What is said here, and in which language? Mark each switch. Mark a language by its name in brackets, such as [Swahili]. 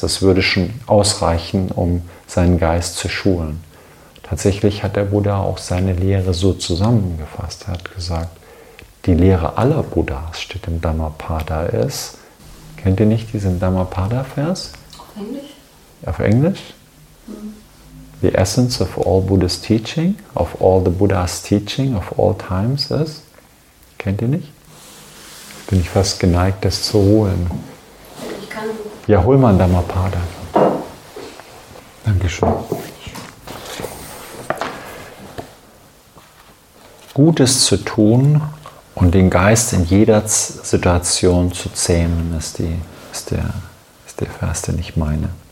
[German] Das würde schon ausreichen, um seinen Geist zu schulen. Tatsächlich hat der Buddha auch seine Lehre so zusammengefasst. Er hat gesagt, die Lehre aller Buddhas steht im Dhammapada ist. Kennt ihr nicht diesen Dhammapada-Vers? Auf Englisch? Auf Englisch? Mhm. [English] The essence of all Buddha's teaching, of all the Buddha's teaching of all times is. [German] Kennt ihr nicht? Bin ich fast geneigt, das zu holen. Ich kann. Ja, hol mal einen Dhammapada. Dankeschön. Gutes zu tun und den Geist in jeder Situation zu zähmen, ist der Vers, den ich meine.